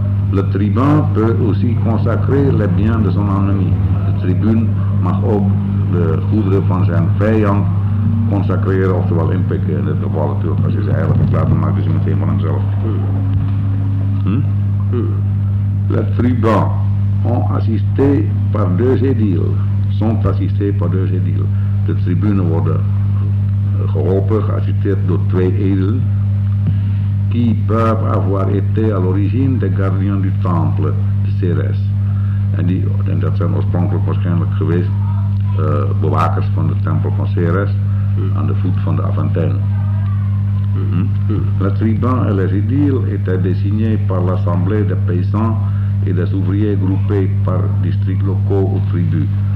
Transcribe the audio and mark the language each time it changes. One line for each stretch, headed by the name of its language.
French: Le tribun peut aussi consacrer les biens de son ennemi.
Dutch: De tribune mag ook de goederen van zijn vijand consacreren, oftewel inpikken in dit geval natuurlijk. Als je ze eigenlijk verklaart, dan maken ze meteen van hemzelf.
French: Les tribuns ont assisté par deux édiles, sont assistés par deux édiles.
Dutch: De tribunes worden geholpen, geassisteerd door twee edelen,
French: qui peuvent avoir été à l'origine des gardiens du temple de Cérès.
Dutch: En dat zijn oorspronkelijk waarschijnlijk geweest bewakers van de tempel van Cérès aan de voet van de Aventijnen.
French: Le tribun et les édiles étaient désignés par l'assemblée des paysans et des ouvriers groupés par districts locaux ou tribus.